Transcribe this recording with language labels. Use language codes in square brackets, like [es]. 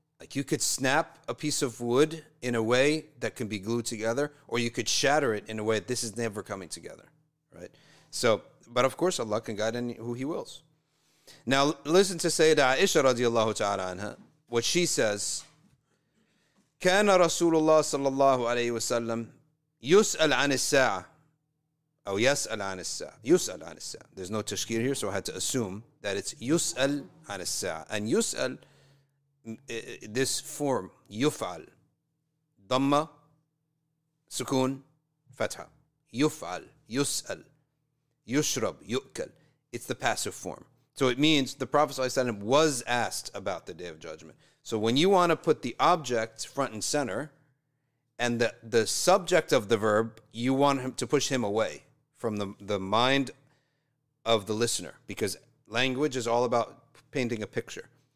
[en] Like you could snap a piece of wood in a way that can be glued together, or you could shatter it in a way that this is never coming together. Right? So, but of course, Allah can guide any, who He wills. Now, listen to Sayyidah Aisha radiallahu ta'ala anha, what she says. [ar] كان رسول الله صلى الله عليه وسلم يسأل عن الساعة أو يسأل عن الساعة يسأل عن الساعة. [en] There's no tashkir here, so I had to assume that it's [ar] يسأل عن الساعة. And يسأل, [en] this form [ar] يفعل ضمة سكون فتحة يفعل يسأل يشرب يؤكل. [en] It's the passive form. So it means the Prophet ﷺ was asked about the Day of Judgment. So when you want to put the object front and center, and the subject of the verb, you want him to push him away from the mind of the listener, because language is all about painting a picture.